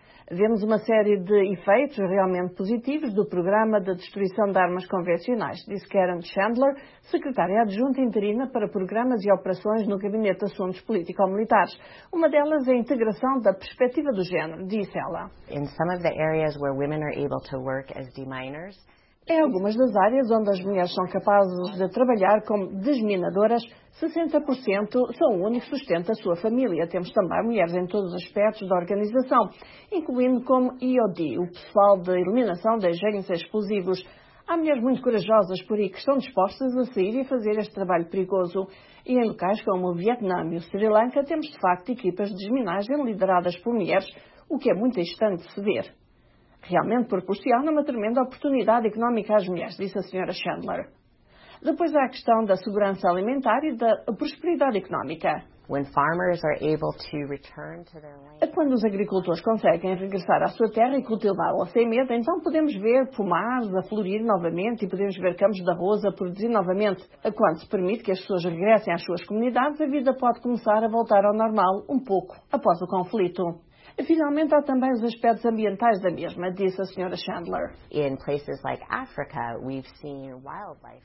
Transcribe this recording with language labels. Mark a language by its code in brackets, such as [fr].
[pt] Vemos uma série de efeitos realmente positivos do programa de destruição de armas convencionais, disse Karen Chandler, secretária adjunta interina para programas e operações no Gabinete de Assuntos Político-Militares. Uma delas é a integração da perspectiva do género, disse ela. [en] In some of the areas where women are able to work as deminers. [pt] Em algumas das áreas onde as mulheres são capazes de trabalhar como desminadoras, 60% são o único sustento da sua família. Temos também mulheres em todos os aspectos da organização, incluindo como IOD, o pessoal de eliminação de agentes explosivos. Há mulheres muito corajosas por aí que estão dispostas a sair e fazer este trabalho perigoso. E em locais como o Vietnã e o Sri Lanka, temos de facto equipas de desminagem lideradas por mulheres, o que é muito excitante de se ver. Realmente proporciona uma tremenda oportunidade económica às mulheres, disse a senhora Chandler. Depois há a questão da segurança alimentar e da prosperidade económica. [en] When farmers are able to return to their land. [pt] Quando os agricultores conseguem regressar à sua terra e cultivar a semente, então podemos ver pomares a florir novamente e podemos ver campos de arroz a produzir novamente. Quando se permite que as pessoas regressem às suas comunidades, a vida pode começar a voltar ao normal um pouco após o conflito. Finalmente, há também os aspectos ambientais da mesma, disse a senhora Chandler. [en] In places like Africa, we've seen wildlife...